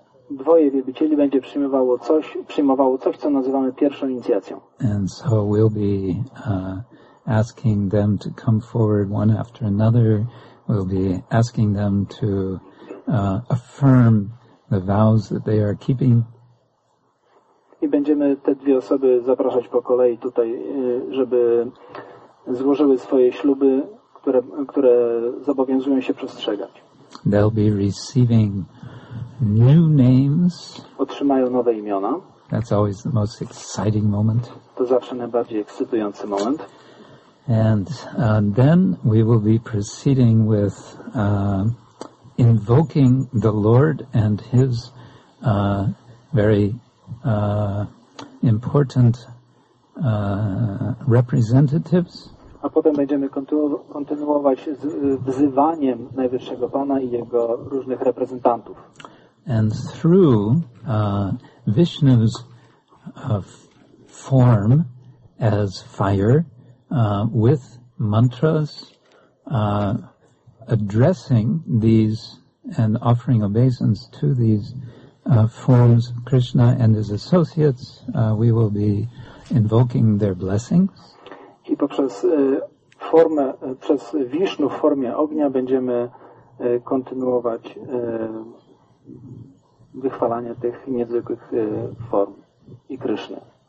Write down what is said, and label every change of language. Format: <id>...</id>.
<pl>Dwoje wielbicieli będzie przyjmowało coś, co nazywamy pierwszą inicjacją.</pl> <en>And so we'll be asking them to come forward one after another. We'll be asking them to affirm the vows that they are keeping.</en> <pl>I będziemy te dwie osoby zapraszać po kolei tutaj, żeby złożyły swoje śluby, które zobowiązują się przestrzegać.</pl> <en>They'll be receiving new names.</en> <pl>Otrzymają nowe imiona.</pl> <en>That's always the most exciting moment.</en> <pl>To zawsze najbardziej ekscytujący moment.</pl> <en>And then we will be proceeding with invoking the Lord and His very important representatives.</en> <pl>A potem będziemy kontynuować z wzywaniem Najwyższego Pana i Jego różnych reprezentantów.</pl> <en>And through Vishnu's form as fire with mantras addressing these and offering obeisance to these forms, Krishna and his associates, we will be invoking their blessings.</en> <pl>I poprzez formę, przez Wisznu w formie ognia będziemy kontynuować wychwalanie tych niezwykłych form i Kryszny.</pl>